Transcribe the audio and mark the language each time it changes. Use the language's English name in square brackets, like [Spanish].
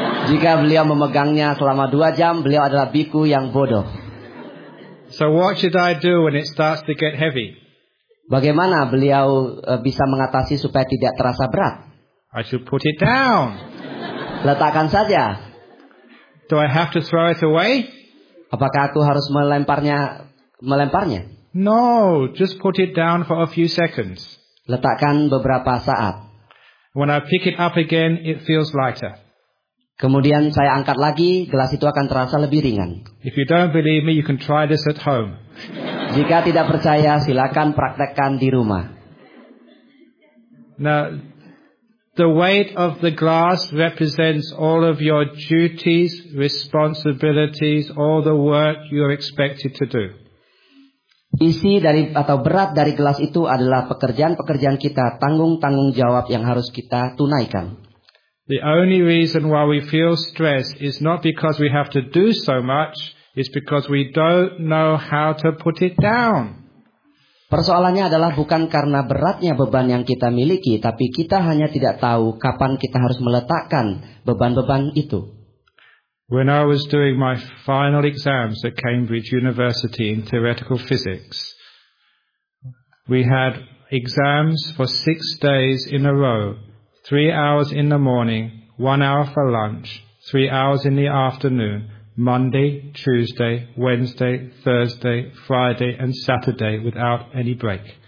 [Indonesian] Jika beliau memegangnya selama 2 jam, beliau adalah biku yang bodoh. [English] So what should I do when it starts to get heavy? [Indonesian] Bagaimana beliau bisa mengatasi supaya tidak terasa berat? [English] I should put it down. [Indonesian] Letakkan saja. [English] Do I have to throw it away? [Indonesian] Apakah aku harus melemparnya? [English] No, just put it down for a few seconds. [Indonesian] Letakkan beberapa saat. [English] When I pick it up again, it feels lighter. [Indonesian] Kemudian saya angkat lagi, gelas itu akan terasa lebih ringan. [English] If you don't believe me, you can try this at home. [Indonesian] Jika tidak percaya, silakan praktekkan di rumah. [English] Now, the weight of the glass represents all of your duties, responsibilities, all the work you are expected to do. [Indonesian] Isi dari atau berat dari gelas itu adalah pekerjaan-pekerjaan kita, tanggung jawab yang harus kita tunaikan. [English] The only reason why we feel stress is not because we have to do so much, it's because we don't know how to put it down. [Indonesian] Persoalannya adalah bukan karena beratnya beban yang kita miliki, tapi kita hanya tidak tahu kapan kita harus meletakkan beban-beban itu. [English] When I was doing my final exams at Cambridge University in theoretical physics, we had exams for 6 days in a row, 3 hours in the morning, 1 hour for lunch, 3 hours in the afternoon, Monday, Tuesday, Wednesday, Thursday, Friday, and Saturday without any break.